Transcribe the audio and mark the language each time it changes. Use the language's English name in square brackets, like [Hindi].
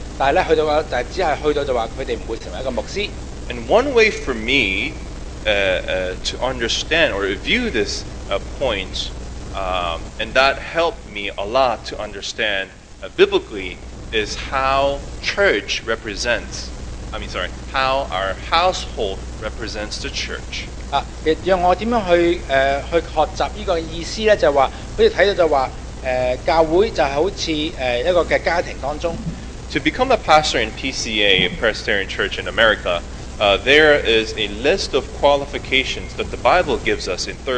[English] And one way for me to understand or view this points, and that helped me a lot to understand biblically is how church represents, how our household represents the church. [Chinese] 让我怎样去学习这个意思呢，就是说，他们看到就是说，教会就好像一个家庭当中。 [English] To become a pastor in PCA, Presbyterian Church in America, there is a list of qualifications that the Bible gives us in